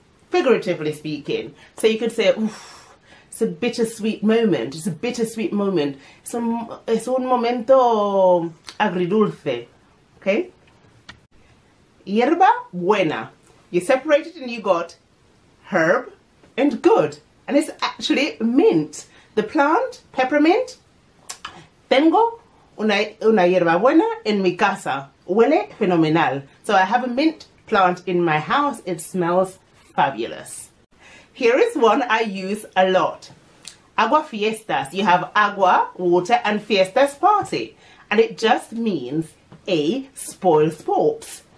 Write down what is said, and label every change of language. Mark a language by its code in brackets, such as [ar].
[en] figuratively speaking. So you could say, oof, it's a bittersweet moment. It's a bittersweet moment. [es] Es un momento agridulce. Okay? Hierba buena. [en] You separate it and you got herb and good. And it's actually mint. The plant, peppermint. [es] Tengo una hierba buena en mi casa. Huele fenomenal. [en] So I have a mint plant in my house. It smells fabulous. Here is one I use a lot. Agua fiestas. You have agua, water, and fiestas, party. And it just means a spoil sports.